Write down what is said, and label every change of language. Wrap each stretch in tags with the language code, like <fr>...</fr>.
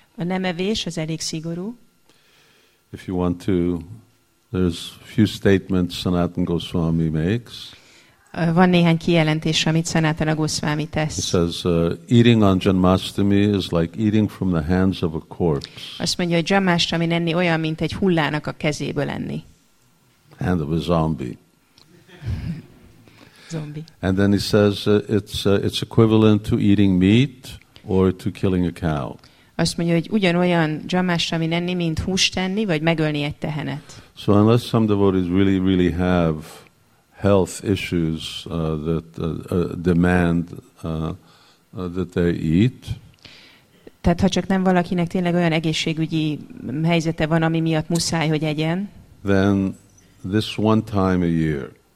<hu>A nem evés, az elég szigorú.</hu> <en>If you want to, there's few statements Sanatana Goswami makes.</en> <hu>Van néhány kijelentés, amit Sanatana Goswami tesz.</hu> <en>He says, eating on Janmashtami is like eating from the hands of a corpse.</en> <hu>Azt mondja, hogy Janmashtami enni olyan, mint egy hullának a kezéből enni.</hu> <en>Hand of a zombie. Zombie. And then he says, it's equivalent to eating meat or to killing a cow.</en> <hu>Azt mondja, hogy ugyanolyan Janmashtami enni, mint húst enni, vagy megölni egy tehenet.</hu> <en>So unless some devotees really, really have health issues that demand that they eat.</en> <hu>Tehát ha csak nem valakinek tényleg olyan egészségügyi helyzete van, ami miatt muszáj, hogy egyen.</hu> <en>Then this one time a year.</en>